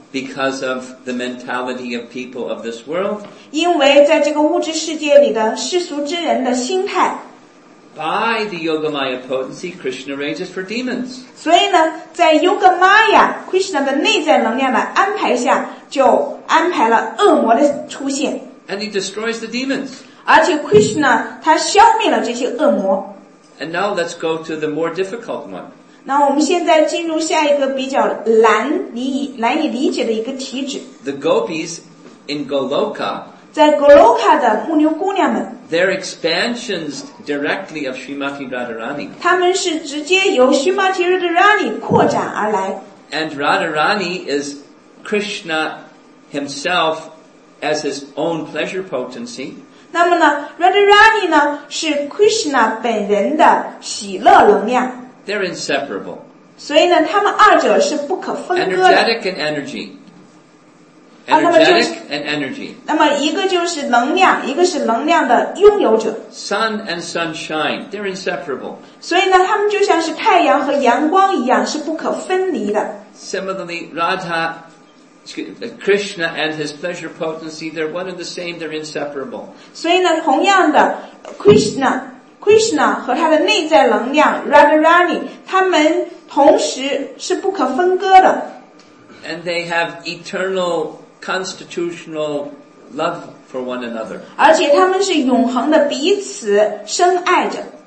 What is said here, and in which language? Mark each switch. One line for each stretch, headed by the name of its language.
English: Because of the mentality of people of this world.
Chinese: 因为在这个物质世界里的世俗之人的心态。
English: By the Yogamaya potency, Krishna arranges for demons.
Chinese: 所以呢在 Yogamaya, Krishna 的内在能量的安排下就安排了恶魔的出现。
English: And he destroys the demons.
Chinese: 而且 Krishna, 他消灭了这些恶魔。
English: And now let's go to the more difficult one.
Chinese: 那我们现在进入下一个比较难以理解的一个体质。
English: The gopis in Goloka,
Chinese: 在 Goloka 的牧牛姑娘们
English: their expansions directly of Srimati Radharani,
Chinese: 他们是直接由 Srimati Radharani 扩展而来。
English: And Radharani is Krishna himself as his own pleasure potency.
Chinese: 那么呢 Radharani 呢是 Krishna 本人的喜乐能量。
English: They're inseparable.
Chinese: 所以呢他们二者是不可分割的。
English: Energetic and energy. Energetic and energy.
Chinese: 那么一个就是能量一个是能量的拥有者。
English: Sun and sunshine, they're inseparable.
Chinese: 所以呢他们就像是太阳和阳光一样是不可分离的。
English: Similarly, Radha Krishna and his pleasure potency, they're one and the same, they're inseparable.
Chinese: 所以呢同样的 Krishna 和他的内在能量 Radharani, 他们同时是不可分割的。
English: And they have eternal constitutional love for one another.
Chinese: 而且他们是永恒的彼此深爱着。